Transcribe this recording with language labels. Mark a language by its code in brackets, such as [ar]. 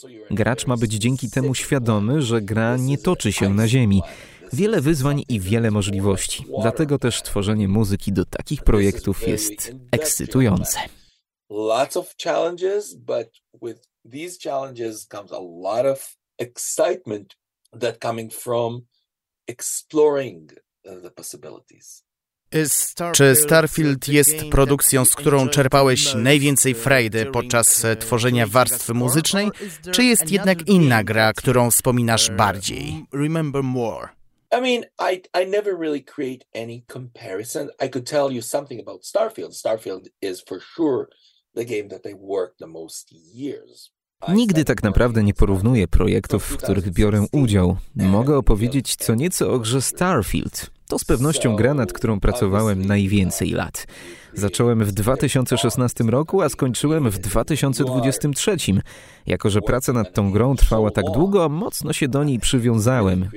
[pl] Gracz ma być dzięki temu świadomy, że gra nie toczy się na Ziemi. Wiele wyzwań i wiele możliwości. Dlatego też tworzenie muzyki do takich projektów jest ekscytujące. [en] Lots of challenges, but with these challenges comes a lot of excitement that coming from exploring the possibilities. [pl] Czy Starfield jest produkcją, z którą czerpałeś najwięcej frajdy podczas tworzenia warstwy muzycznej, czy jest jednak inna gra, którą wspominasz bardziej? [en] Remember more. I mean, I never really create any comparison. I could tell you something about Starfield. Starfield is for sure the game that I worked the most years. [pl] Nigdy tak naprawdę nie porównuję projektów, w których biorę udział. Mogę opowiedzieć co nieco o grze Starfield. To z pewnością gra, nad którą pracowałem najwięcej lat. Zacząłem w 2016 roku, a skończyłem w 2023. Jako że praca nad tą grą trwała tak długo, mocno się do niej przywiązałem.